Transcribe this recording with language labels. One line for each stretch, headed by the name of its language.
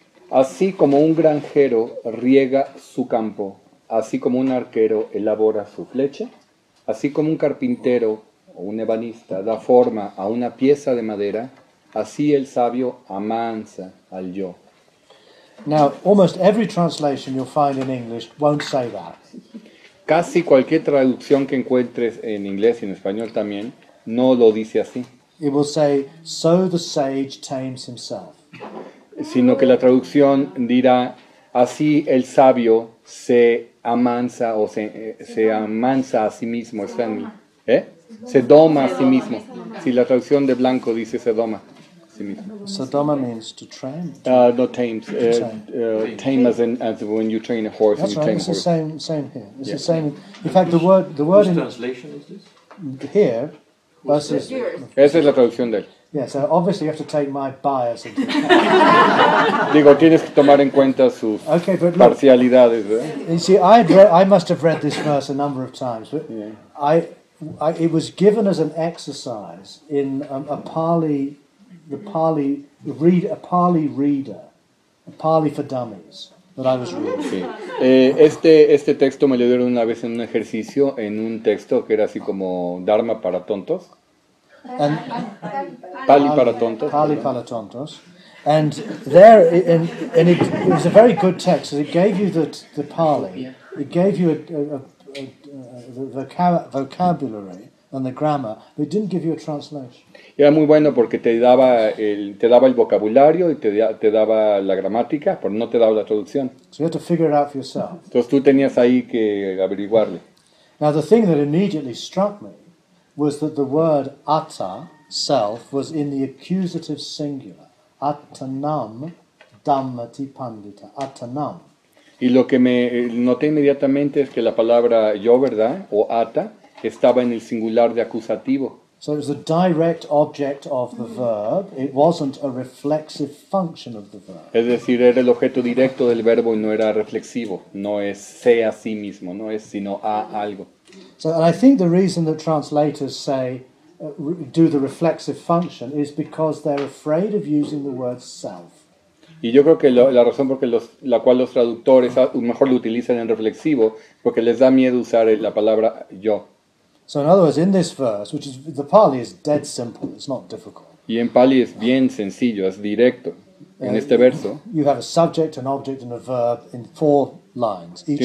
Spanish: Así como un granjero riega su campo, así como un arquero elabora su flecha, así como un carpintero o un ebanista da forma a una pieza de madera, así el sabio amansa al yo.
English: Now, almost every translation you'll find in English won't say that.
Spanish: Casi cualquier traducción que encuentres en inglés y en español también no lo dice así.
English: It will say, so the sage tames himself.
Spanish: Sino que la traducción dirá, así el sabio se amansa o se amansa a sí mismo. Se doma a sí mismo. Si la traducción de blanco dice se doma a sí mismo.
English: So doma means to train. No, tames. Tame as in as when you train a horse. That's and right. it's a horse. The same here. It's the same. In fact, the word whose translation is this? Here. Versus,
Spanish: esa es la traducción de él.
English: Yeah, so obviously you have to take my bias into account.
Spanish: Digo, tienes que tomar en cuenta sus
English: okay, but look,
Spanish: parcialidades, ¿eh?
English: You see, I must have read this verse a number of times, but yeah. It was given as an exercise in a Pali for dummies that I was reading.
Spanish: Sí. Este texto me lo dieron una vez en un ejercicio en un texto que era así como Dharma para tontos.
English: And
Spanish: Pali para tontos. Pali para tontos.
English: And there, it was a very good text. It gave you the Pali. It gave you vocabulary and the grammar. But it didn't give you a translation.
Spanish: Era muy bueno porque te daba el vocabulario y te daba la gramática, pero no te daba la traducción.
English: So you had to figure it out for yourself.
Spanish: Entonces tú tenías ahí que averiguarle.
English: Now the thing that immediately struck me was that the word atta, self, was in the accusative singular.
Pali: Attanam dhammati pandita. Attanam.
Spanish: Y lo que me noté inmediatamente es que la palabra yo, ¿verdad? O atta, estaba en el singular de acusativo.
English: So it was a direct object of the verb. It wasn't a reflexive function of the verb.
Spanish: Es decir, era el objeto directo del verbo y no era reflexivo. No es se a sí mismo, no es sino a algo.
English: So, and I think the reason that translators say do the reflexive function is because they're afraid of using the word self.
Spanish: Y yo creo que la razón por la cual los traductores mejor lo utilizan en reflexivo porque les da miedo usar la palabra yo.
English: So in other words, in this verse, which is the Pali is dead simple, it's not difficult.
Spanish: Y en Pali es bien sencillo, es directo. En este verso.
English: You have a subject, an object, and a verb in four lines.